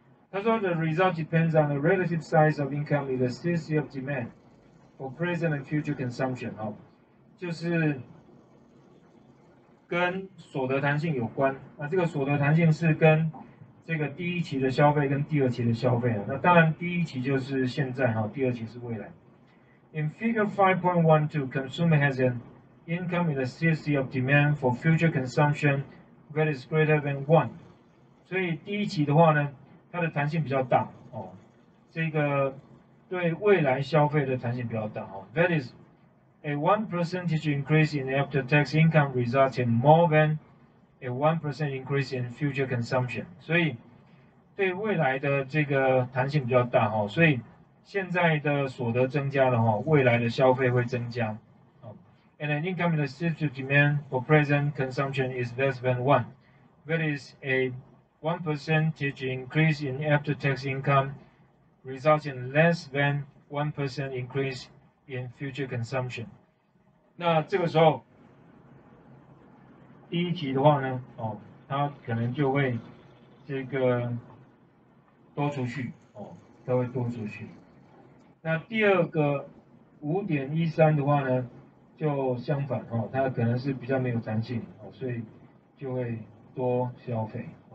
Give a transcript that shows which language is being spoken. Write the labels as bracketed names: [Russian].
[Chinese] 他说， [English] the result depends on the relative size of income elasticity of demand for present and future consumption。 [Chinese] 哦，就是跟所得弹性有关。那这个所得弹性是跟这个第一期的消费跟第二期的消费啊。那当然，第一期就是现在哈，第二期是未来。 [English] In Figure 5.12, consumer has an income elasticity of demand for future consumption that is greater than one。 [Chinese] 所以第一期的话呢，它的弹性比较大哦，这个对未来消费的弹性比较大哦。 [English] That is a 1% increase in after-tax income results in more than a 1% increase in future consumption。 [Chinese] 所以对未来的这个弹性比较大哦，所以现在的所得增加了哦，未来的消费会增加哦。 [English] And an income elasticity demand for present consumption is less than one. That is a 1% increase in after-tax income results in less than 1% increase in future consumption。 [Chinese] 那这个时候，第一期的话呢，哦，它可能就会这个多储蓄，哦，它会多储蓄。那第二个5.13的话呢，就相反，哦，它可能是比较没有弹性，哦，所以就会多消费。